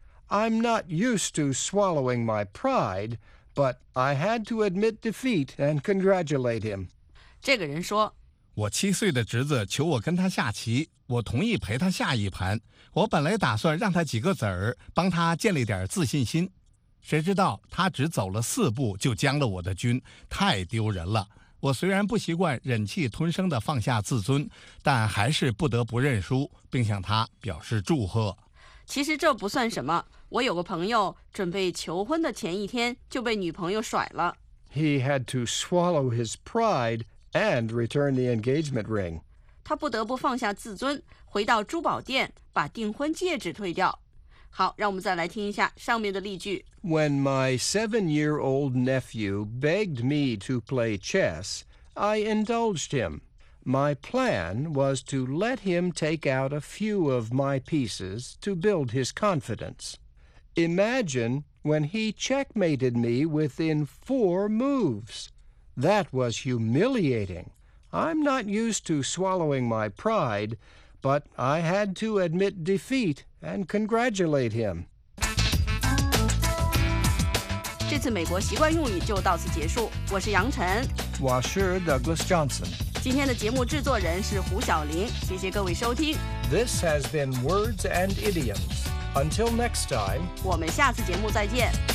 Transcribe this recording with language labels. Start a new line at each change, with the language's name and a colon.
English: I'm not used to swallowing my pride, but I had to admit defeat and congratulate him.
Chinese: 这个人说，我七岁的侄子求我跟他下棋，我同意陪他下一盘。我本来打算让他几个子儿帮他建立点自信心，谁知道他只走了4步就将了我的军，太丢人了。我虽然不习惯忍气吞声地放下自尊，但还是不得不认输，并向他表示祝贺。其实这不算什么，我有个朋友准备求婚的前一天就被女朋友甩了。
English: He had to swallow his prideAnd return the engagement ring.
Chinese: 他不得不放下自尊，回到珠宝店把订婚戒指退掉。好，让我们再来听一下上面的例句。
English: When my 7-year-old nephew begged me to play chess, I indulged him. My plan was to let him take out a few of my pieces to build his confidence. Imagine when he checkmated me within 4 moves. That was humiliating. I'm not used to swallowing my pride, but I had to admit defeat and congratulate him.
Chinese: 这次美国习惯用语就到此结束。我是杨晨。我是 Douglas Johnson。今天的节目制作人是胡晓琳，谢谢各位收听。
English: This has been Words and Idioms. Until next time.
Chinese: 我们下次节目再见。